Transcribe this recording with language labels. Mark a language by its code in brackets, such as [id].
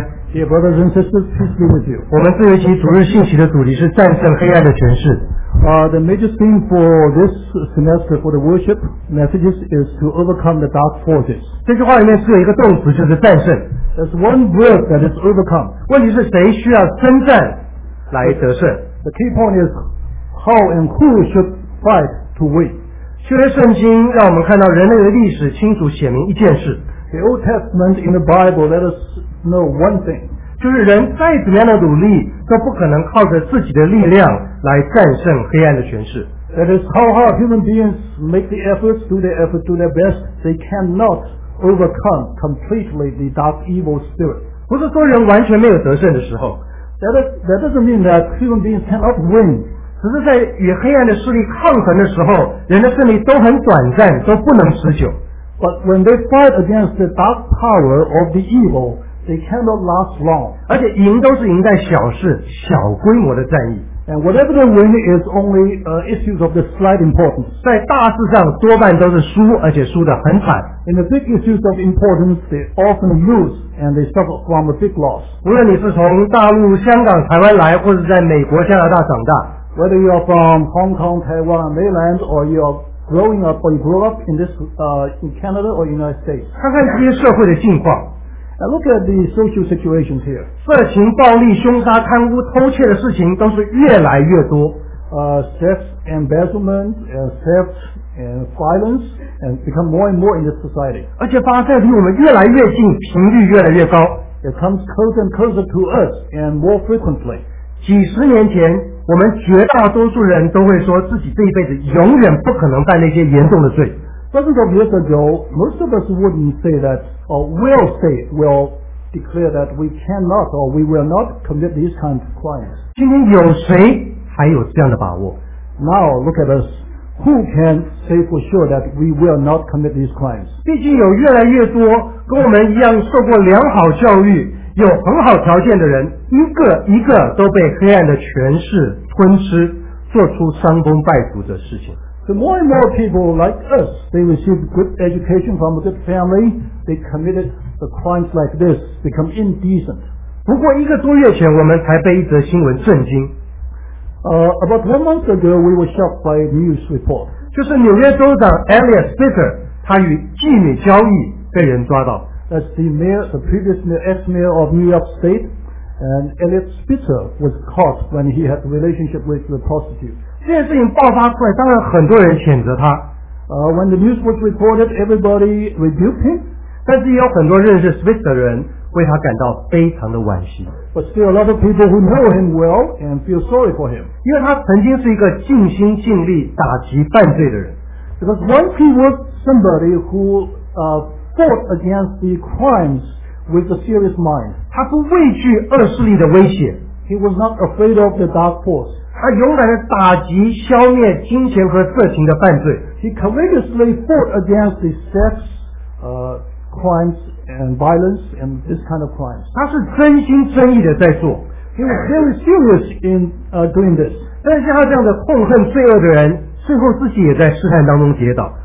[en] Dear brothers and sisters, peace be with you. [zh] 我们这一期主日信息的主题是战胜黑暗的权势。 [en] The major theme for this semester for the worship messages is to overcome the dark forces. [zh] 这句话里面是有一个动词，就是战胜。 [en] There's one word that is overcome. [zh] 问题是谁需要征战来得胜。 [en] The key point is how and who should fight to win. [zh] 旧约圣经让我们看到人类的历史清楚写明一件事。 [en] The Old Testament in the Bible let us know one thing. [zh] 就是人再怎么样的努力都不可能靠着自己的力量来战胜黑暗的权势。 [en] That is how hard human beings make the efforts, do their effort, do their best. They cannot overcome completely the dark evil spirit. [zh] 不是说人完全没有得胜的时候。 [en] That doesn't mean that human beings cannot win. [zh] 只是在与黑暗的势力抗衡的时候，人的胜利都很短暂，都不能持久。 [en] But when they fight against the dark power of the evil, they cannot last long. [zh] 而且赢都是赢在小事、小规模的战役。 [en] And whatever they win is only issues of the slight importance. [zh] 在大事上多半都是输，而且输得很惨。 [en] In the big issues of importance, they often lose and they suffer from a big loss. [zh] 无论你是从大陆、香港、台湾来，或是在美国、加拿大长大。 [en] Whether you are from Hong Kong, Taiwan, mainland, or you are growing up, or you grew up in this, in Canada or United States. [zh] 看看这些社会的境况。 [en] Now look at the social situation here. [zh] 色情、暴力、凶杀、贪污、偷窃的事情都是越来越多。 [en] Theft, embezzlement, theft, and violence, and become more and more in this society. [zh] 而且发生离我们越来越近，频率越来越高。 [en] It comes closer and closer to us, and more frequently. [zh] 几十年前，我们绝大多数人都会说自己这一辈子永远不可能犯那些严重的罪。 [en] Dozens of years ago, most of us wouldn't say that, or will say, will declare that we cannot or we will not commit these kinds of crimes. [zh] 今天有谁还有这样的把握？ [en] Now look at us. Who can say for sure that we will not commit these crimes? [zh] 毕竟有越来越多跟我们一样受过良好教育，有很好条件的人一个一个都被黑暗的权势吞吃，做出伤风败俗的事情。 [en] The more and more people like us, they received good education from a good family, they committed the crimes like this, become indecent. [zh] 不过一个多月前我们才被一则新闻震惊。 [en] About 1 month ago, we were shocked by a news report. [zh] 就是纽约州长 Elias Bitter, 他与妓女交易被人抓到。 [en] That's the mayor, the previous mayor, ex-mayor of New York State, and Elias Bitter was caught when he had a relationship with the prostitute. [zh] 这件事情爆发出来，当然很多人谴责他。 [en] When the news was reported, everybody rebuked him. [zh] 但是也有很多认识 Swift 的人为他感到非常的惋惜。 [en] But still, a lot of people who know him well and feel sorry for him. [zh] 因为他曾经是一个尽心尽力打击犯罪的人。 [en] Because once he was somebody who fought against the crimes with a serious mind. [zh] 他不畏惧恶势力的威胁。 [en] He was not afraid of the dark force. [zh] 他勇敢地打击消灭金钱和色情的犯罪。 [en] He courageously fought against the sex, crimes and violence and this kind of crimes. [zh] 他是真心真意的在做。 [en] He was very serious in, doing this. [zh] 但是他这样的痛恨罪恶的人，最后自己也在试探当中跌倒。